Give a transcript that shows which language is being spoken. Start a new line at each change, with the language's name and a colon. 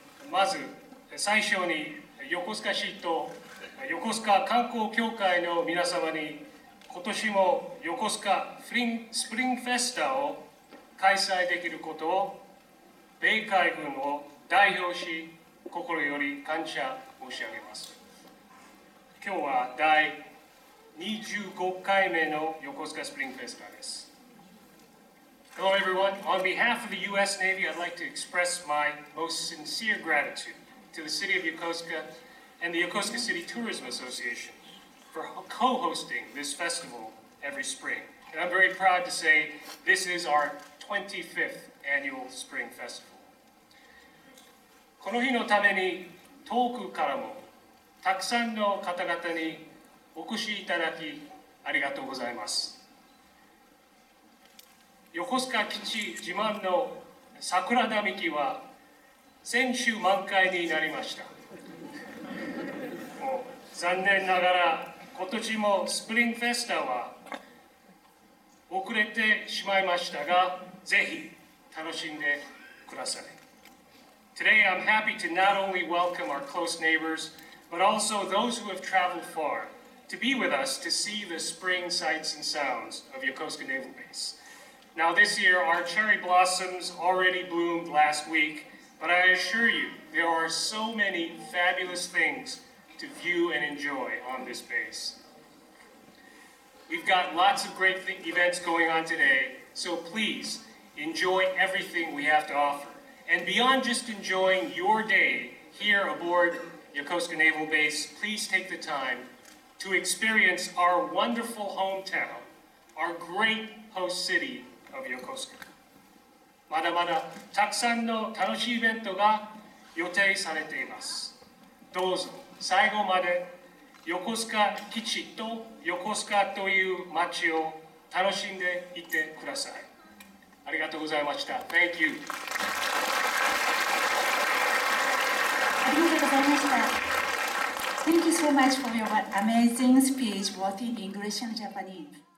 Japanese: まず最初に横須賀市と横須賀観光協会の皆様に今年も横須賀スプリングフェスタを開催できることを米海軍を代表し心より感謝申し上げます。今日は第25回目の横須賀スプリングフェスタです。
English: Hello everyone. On behalf of the U.S. Navy, I'd like to express my most sincere gratitude to the City of Yokosuka and the Yokosuka City Tourism Association for co-hosting this festival every spring. And I'm very proud to say this is our 25th annual spring festival.
Japanese: この日のために遠くからもたくさんの方々にお越しいただきありがとうございます。横須賀基地自慢の桜並木は先週満開になりました。もう残念ながら今年もスプリングフェスタは遅れてしまいましたが、ぜひ楽しんでください。
English: Today I'm happy to not only welcome our close neighbors but also those who have traveled far to be with us to see the spring sights and sounds of Yokosuka Naval Base. Now this year, our cherry blossoms already bloomed last week, but I assure you, there are so many fabulous things to view and enjoy on this base. We've got lots of great events going on today, so please enjoy everything we have to offer. And beyond just enjoying your day here aboard Yokosuka Naval Base, please take the time to experience our wonderful hometown, our great host city,of Yokosuka.
Japanese: まだまだたくさんの楽しいイベントが予定されています。どうぞ最後まで横須賀基地と横須賀という街を楽しんでいってください。ありがとうございました。
English: Thank you.
Japanese: ありがとうございました。
English: Thank you so much for your amazing speech, both in English and Japanese.